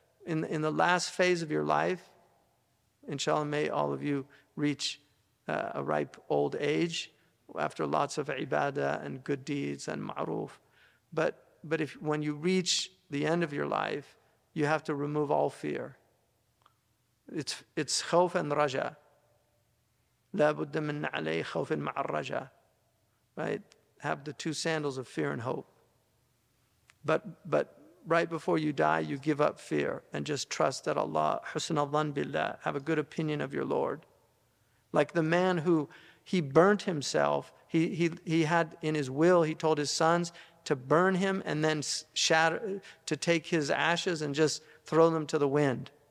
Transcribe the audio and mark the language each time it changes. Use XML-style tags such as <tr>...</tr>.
<en>In the last phase of your life, inshallah, may all of you reach a ripe old age after lots of ibadah and good deeds and ma'ruf. But if when you reach the end of your life, you have to remove all fear. It's khawf and raja.</en> <ar>لا بد من عليه خوف مع الرجاء.</ar> <en>Right? Have the two sandals of fear and hope. But right before you die, you give up fear and just trust that Allah,</en> <ar>حسن الظن بالله,</ar> <en>have a good opinion of your Lord. Like the man who, he burnt himself, he had in his will, he told his sons to burn him and then to take his ashes and just throw them to the wind.</en>